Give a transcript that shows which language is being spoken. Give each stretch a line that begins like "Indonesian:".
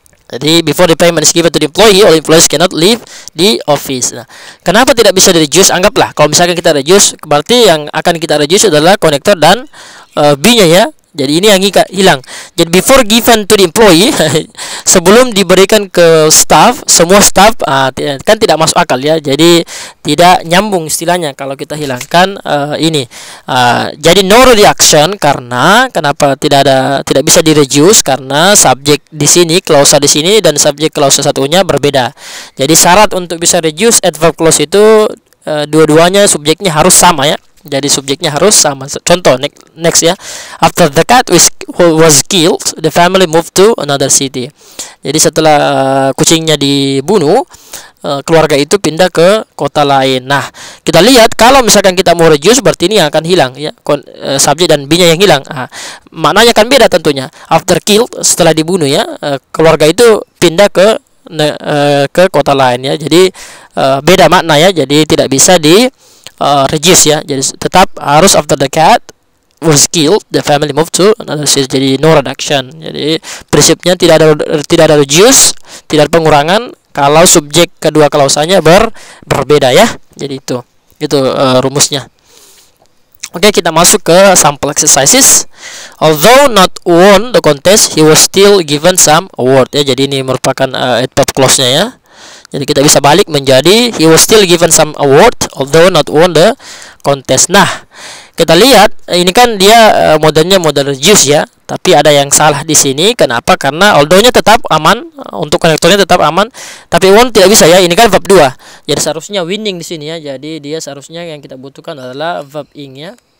English: Jadi before the payment is given to the employee, all employees cannot leave the office.
Indonesian: Nah, kenapa tidak bisa reduce? Anggaplah kalau misalkan kita reduce, berarti yang akan kita reduce adalah konektor dan B-nya ya. Jadi ini yang hilang. Jadi
English: before given to the employee,
Indonesian: sebelum diberikan ke staff, semua staff kan tidak masuk akal ya. Jadi tidak nyambung istilahnya kalau kita hilangkan ini. Jadi
English: no reaction,
Indonesian: karena kenapa tidak bisa direduce, karena subjek di sini, klausa di sini dan subjek klausa satunya berbeda. Jadi syarat untuk bisa reduce adverb clause itu dua-duanya subjeknya harus sama ya. Jadi subjeknya harus sama. Contoh next ya.
English: After the cat was killed, the family moved to another city.
Indonesian: Jadi setelah kucingnya dibunuh, keluarga itu pindah ke kota lain. Nah, kita lihat kalau misalkan kita mau reduce, berarti ini akan hilang ya, subjek dan B-nya yang hilang. Maknanya kan beda tentunya.
English: After killed,
Indonesian: setelah dibunuh ya, keluarga itu pindah ke kota lain ya. Jadi beda makna ya. Jadi tidak bisa di regis ya. Jadi tetap harus
English: after the cat was killed, the family moved to another city. Jadi no reduction.
Indonesian: Jadi prinsipnya tidak ada reduce, tidak ada pengurangan kalau subjek kedua klausanya berbeda ya. Jadi itu rumusnya. Oke, kita masuk ke sample exercises.
English: Although not won the contest, he was still given some award ya.
Indonesian: Jadi ini merupakan adverb clause-nya ya. Jadi kita bisa balik menjadi
English: he was still given some award although not won the contest.
Indonesian: Nah, kita lihat ini kan dia modelnya model reduce ya, tapi ada yang salah di sini. Kenapa? Karena although-nya tetap aman, untuk konektornya tetap aman, tapi won tidak bisa ya. Ini kan verb 2. Jadi seharusnya winning di sini ya. Jadi dia seharusnya yang kita butuhkan adalah verb ing ya.